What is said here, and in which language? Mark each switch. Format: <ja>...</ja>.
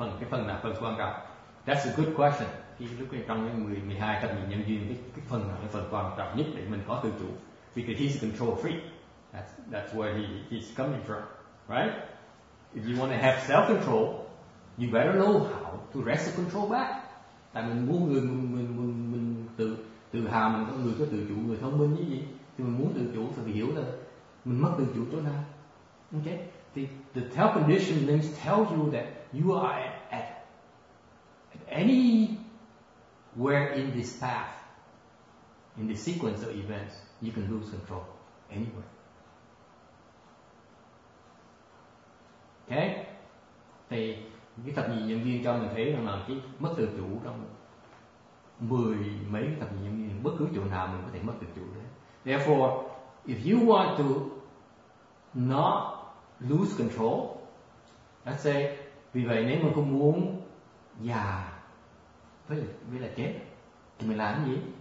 <vi>Phần nào phần quan trọng?</vi> <en>That's a good question.</en> <vi>khi lúc này trong những 12 tập nhân duyên, cái phần này là phần quan trọng nhất để mình có tự chủ.</vi> <en>Because he's a control freak. That's where he's coming from, right? If you want to have self-control, you better know how to wrest the control back.</en> <vi>Tại mình muốn người mình tự hào mình có người có tự chủ, người thông minh như vậy, thì mình muốn tự chủ thì phải hiểu là mình mất tự chủ chỗ nào.</vi> <en>Okay? The tell condition means tell you that you are at anywhere in this path, in this sequence of events, you can lose control anywhere. Okay?</en> <vi>Thì cái thập nhị nhân duyên cho mình thấy rằng là cái mất tự chủ trong mười mấy thập nhị nhân duyên, bất cứ chỗ nào mình có thể mất tự chủ đấy.</vi> <en>Therefore, if you want to not lose control, let's say,</en> <vi>vì vậy nếu mà không muốn già với là chết, thì mình làm cái gì?</vi>